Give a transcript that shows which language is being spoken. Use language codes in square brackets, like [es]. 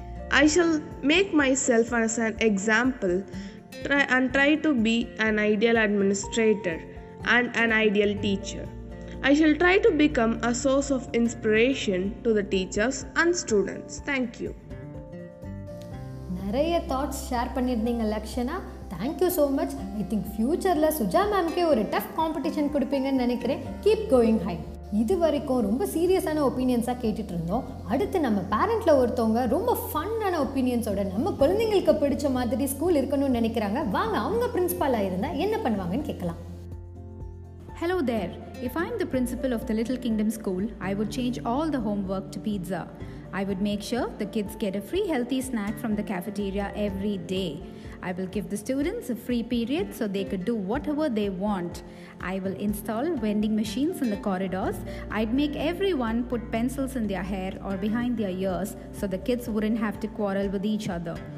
[en] I shall make myself as an example and try to be an ideal administrator and an ideal teacher. I shall try to become a source of inspiration to the teachers and students. Thank you. [ta] நிறைய thoughts share பண்ணியிருந்தீங்க Lakshana, [en] Thank you so much. I think [ta] ஃபியூச்சரில் சுஜா மேம்கே ஒரு tough competition கொடுப்பீங்கன்னு நினைக்கிறேன். [en] Keep going ஹை. [ta] இது வரைக்கும் ரொம்ப சீரியஸான ஒப்பீனியன்ஸாக கேட்டுட்டு இருந்தோம். அடுத்து நம்ம பேரண்ட்ல ஒருத்தவங்க ரொம்ப ஃபன்னான ஒப்பீனியன்ஸோட நம்ம குழந்தைங்களுக்கு பிடிச்ச மாதிரி ஸ்கூல் இருக்கணும்னு நினைக்கிறாங்க. வாங்க, அவங்க பிரின்சிபலாக இருந்தால் என்ன பண்ணுவாங்கன்னு கேட்கலாம். [en] Hello there, if I am the principal of the Little Kingdom School, I would change all the homework to pizza. I would make sure the kids get a free healthy snack from the cafeteria every day. I will give the students a free period so they could do whatever they want. I will install vending machines in the corridors. I'd make everyone put pencils in their hair or behind their ears so the kids wouldn't have to quarrel with each other.